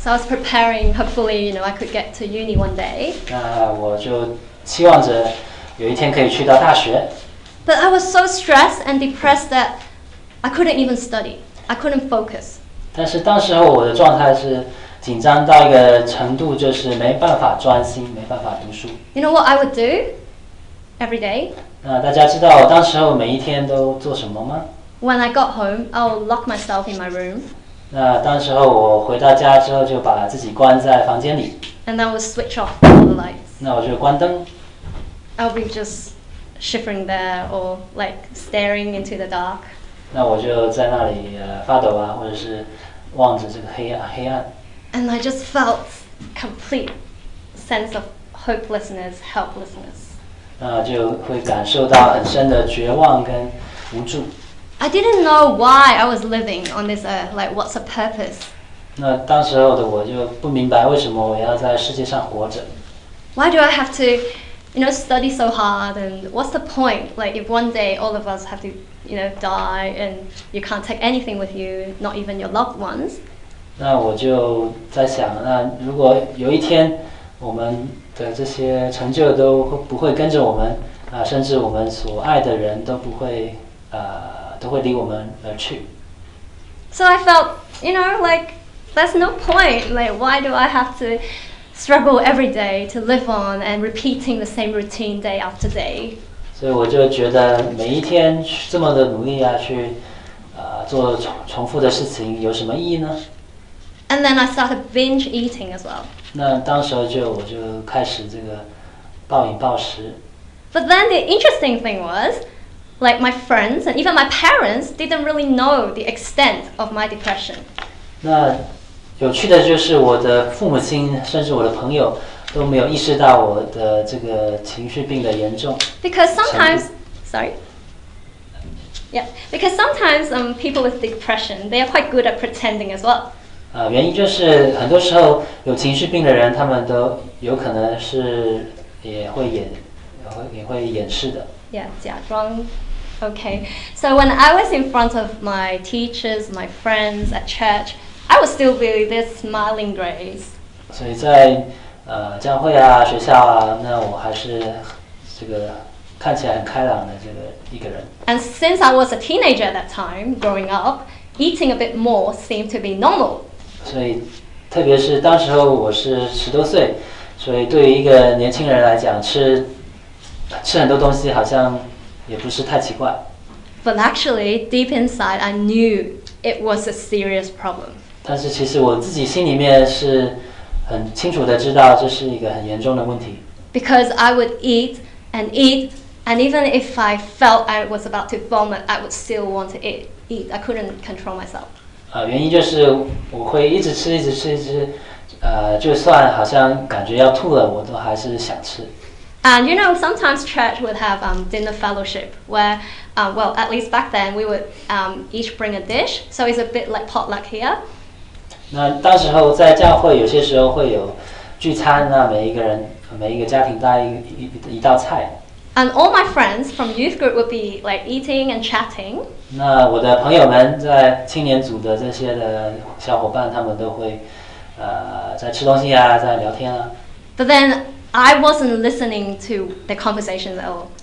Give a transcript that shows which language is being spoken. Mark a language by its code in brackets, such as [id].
[en] So I was preparing, hopefully, you know, I could get to uni one day. [zh] 那我就期望着有一天可以去到大学。 [en] But I was so stressed and depressed that I couldn't even study. I couldn't focus. [zh] 但是当时候我的状态是紧张到一个程度，就是没办法专心，没办法读书。 [en] You know what I would do every day? [zh] 那大家知道我当时候每一天都做什么吗？ [en] When I got home, I'll lock myself in my room. [zh] 那当时候我回到家之后就把自己关在房间里。 [en] And then we'll switch off all the lights. [zh] 那我就关灯。 [en] I'll be just shivering there or like staring into the dark. [zh] 那我就在那里发抖啊，或者是望着这个黑暗。 [en] And I just felt complete sense of hopelessness, helplessness. [zh] 那就会感受到很深的绝望跟无助。 [en] I didn't know why I was living on this earth, like what's a purpose? [zh] 那当时候的我就不明白为什么我要在世界上活着。 [en] Why do I have to, you know, study so hard and what's the point? Like if one day all of us have to, you know, die and you can't take anything with you, not even your loved ones. [zh] 那我就在想，那如果有一天我们的这些成就都不会跟着我们，甚至我们所爱的人都不会都会离我们而去。 [en] So I felt, you know, like there's no point. Like, why do I have to struggle every day to live on and repeating the same routine day after day? [zh] 所以我就觉得每一天这么的努力啊，去做重复的事情有什么意义呢？ [en] And then I started binge eating as well. [zh] 那当时候我就开始这个暴饮暴食。 [en] But then the interesting thing was. Like my friends and even my parents didn't really know the extent of my depression. [zh] 那有趣的就是我的父母亲甚至我的朋友都没有意识到我的这个情绪病的严重。 [en] Because sometimes people with depression they are quite good at pretending as well. [zh] 原因就是很多时候有情绪病的人他们都有可能是也会掩饰的。 [en] Yeah, [zh] 假装 [en] okay. So when I was in front of my teachers, my friends at church, I would still be this smiling grace. [zh] 所以在教会啊，学校啊，那我还是这个看起来很开朗的这个一个人。 [en] And since I was a teenager at that time, growing up, eating a bit more seemed to be normal. [zh] 所以特别是当时候我是十多岁，所以对于一个年轻人来讲，吃很多东西好像也不是太奇怪。 [en] But actually, deep inside, I knew it was a serious problem. [zh] 但是其实我自己心里面是很清楚的知道这是一个很严重的问题。 [en] Because I would eat and eat, and even if I felt I was about to vomit, I would still want to eat. I couldn't control myself. [zh] 原因就是我会一直吃，一直吃，一直就算好像感觉要吐了，我都还是想吃。 [en] And you know, sometimes church would have dinner fellowship where, well, at least back then, we would each bring a dish, so it's a bit like potluck here. [zh] 那当时候在教会有些时候会有聚餐呢，每一个人，每一个家庭带一道菜。 [en] And all my friends from youth group would be like eating and chatting. [zh] 那我的朋友们在青年组的这些的小伙伴，他们都会，在吃东西啊，在聊天啊。 [en] But then I wasn't listening to the conversation at all.